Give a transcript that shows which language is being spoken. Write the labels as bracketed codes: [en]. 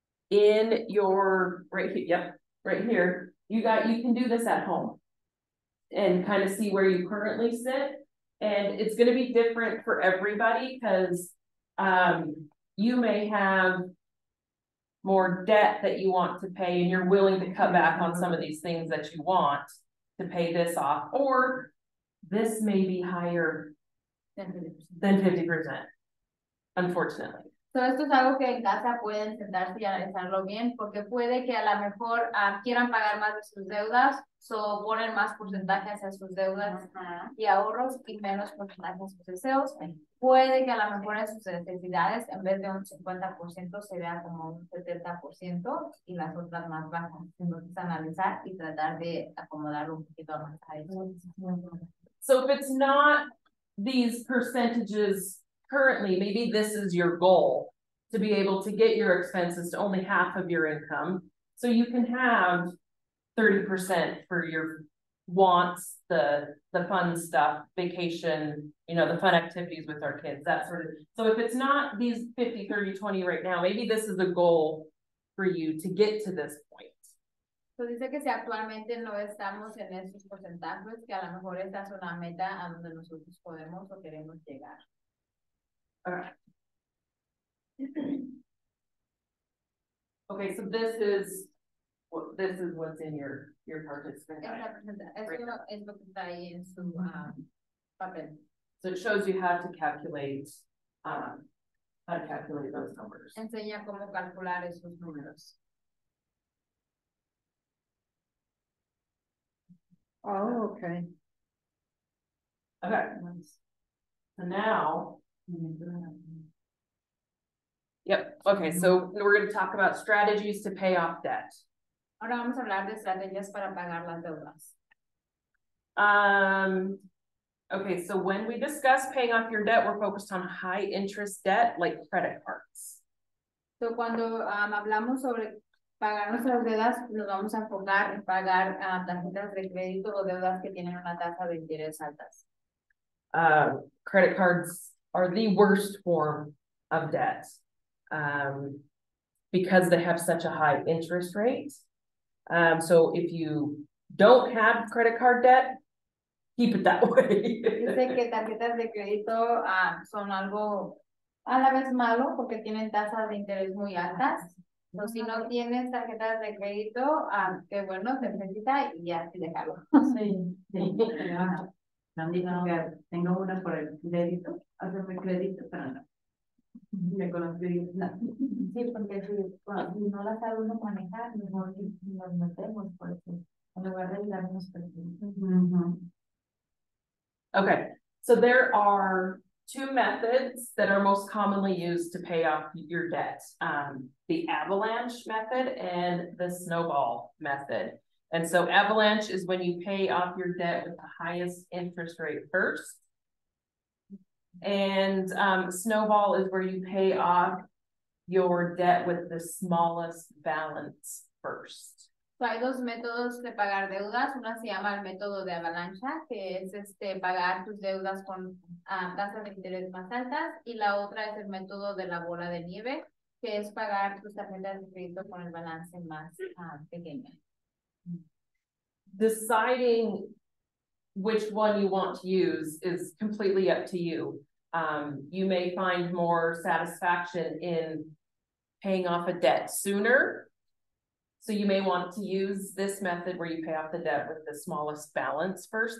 [en] In your, right here, you can do this at home and kind of see where you currently sit. And it's going to be different for everybody because you may have more debt that you want to pay and you're willing to cut back on some of these things that you want to pay this off, or this may be higher than 50%, unfortunately. [es] So esto es algo que en casa pueden sentarse y analizarlo bien, porque puede que a lo mejor quieran pagar más de sus deudas, so ponen más porcentaje hacia sus deudas y ahorros y menos porcentaje a sus deseos. Puede que a lo mejor en sus necesidades, en vez de un 50%, se vea como un 70% y las otras más bajas. Entonces analizar y tratar de acomodarlo un poquito más a eso. [en] So if it's not these percentages currently, maybe this is your goal to be able to get your expenses to only half of your income. So you can have 30% for your wants, the fun stuff, vacation, you know, the fun activities with our kids, that sort of. So if it's not these 50, 30, 20 right now, maybe this is a goal for you to get to this point. [es] So dice que si actualmente no estamos en esos porcentajes, que a lo mejor esta es una meta a donde nosotros podemos o queremos llegar. [en] Alright. Okay, so this is what's in your participant. [es] Es lo que está ahí en su papel. [en] So it shows you how to calculate those numbers. [es] Enseña cómo calcular esos números. [en] Oh, okay. Okay. So now, yep. Okay. So we're going to talk about strategies to pay off debt. [es] Ahora vamos a hablar de estrategias para pagar las deudas. [en] Okay. So when we discuss paying off your debt, we're focused on high interest debt like credit cards. [es] So cuando hablamos sobre pagar nuestras deudas, nos vamos a enfocar en pagar tarjetas de crédito o deudas que tienen una tasa de interés altas. [en] Credit cards are the worst form of debt because they have such a high interest rate. So if you don't have credit card debt, keep it that way. [es] Dicen que tarjetas de crédito son algo a la vez malo porque tienen tasas de interés muy altas. So, si no tienes tarjetas de crédito, qué bueno, te necesita y así dejarlo. Sí. No digo que tengo una por el crédito, hacerme crédito, pero no. Me conozco y no. Sí, porque si no la sabe uno manejar, mejor nos metemos, porque en lugar de darnos crédito. [en] Okay, so there are two methods that are most commonly used to pay off your debt, the avalanche method and the snowball method. And so avalanche is when you pay off your debt with the highest interest rate first. And snowball is where you pay off your debt with the smallest balance first. [es] So hay dos métodos de pagar deudas. Una se llama el método de avalancha, que es pagar tus deudas con tasas de interés más altas. Y la otra es el método de la bola de nieve, que es pagar tus tarjetas de crédito con el balance más pequeño. [en] Deciding which one you want to use is completely up to you. You may find more satisfaction in paying off a debt sooner. So you may want to use this method where you pay off the debt with the smallest balance first.